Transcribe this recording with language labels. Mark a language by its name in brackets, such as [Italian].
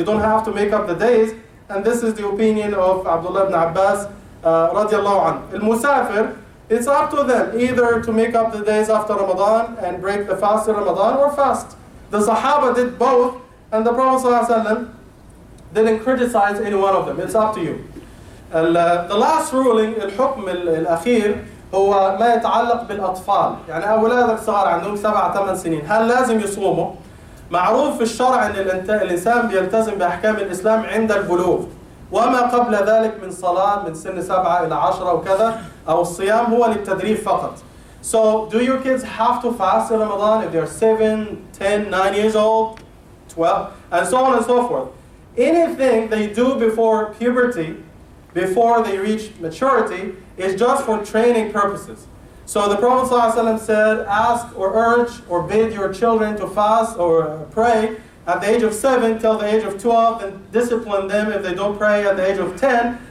[English] You don't have to make up the days. And this is the opinion of Abdullah ibn Abbas radiallahu anhu. Al-Musafir, it's up to them either to make up the days after Ramadan and break the fast in Ramadan or fast. The Sahaba did both, and the Prophet sallallahu alayhi wa sallam didn't criticize any one of them. It's up to you. The last ruling, [Arabic] الحكم الأخير, هو ما يتعلق بالأطفال. يعني أولادك صغار عندهم 7-8 سنين. هل لازم يصوموا؟ معروف في الشرع أن الإنسان بيلتزم بأحكام الإسلام عند البلوغ. وما قبل ذلك من صلاة من سن 7 إلى 10 وكذا أو الصيام هو للتدريب فقط. [English] So do your kids have to fast in Ramadan if they are 7, 10, 9 years old, 12, and so on and so forth? Anything they do before puberty, before they reach maturity, is just for training purposes. So the Prophet ﷺ said, ask or urge or bid your children to fast or pray at the age of 7 till the age of 12, and discipline them if they don't pray at the age of 10.